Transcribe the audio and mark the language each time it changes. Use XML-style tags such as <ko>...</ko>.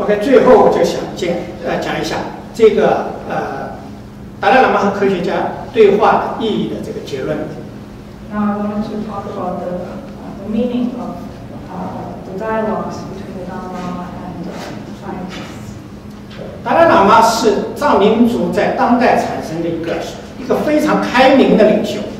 <zh>Okay, 最后我就想讲一下这个达赖喇嘛和科学家对话的意义的这个结论。</zh> <en>Now I wanted to talk about the meaning of the dialogues between the Dalai Lama and scientists.</en> <zh>达赖喇嘛是藏民族在当代产生的一个非常开明的领袖。</zh>